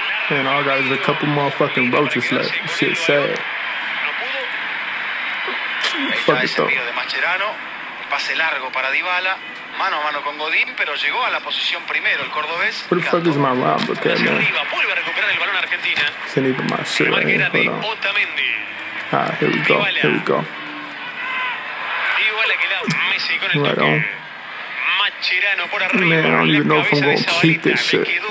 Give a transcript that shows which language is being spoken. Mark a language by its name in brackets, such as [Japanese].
[English] And all I got is a couple motherfucking roaches left. This shit's sad. Fuck it though. [Spanish] De Mascherano, pase largo para Dybala, mano a mano con Godín, pero llegó a la posición primero el cordobés. [English] What the fuck is my rhyme book at, man? It's in even my shit, man. Hold on. Ah, here we go. Here we go. Right on. Man, I don't even know if I'm gonna keep this shit.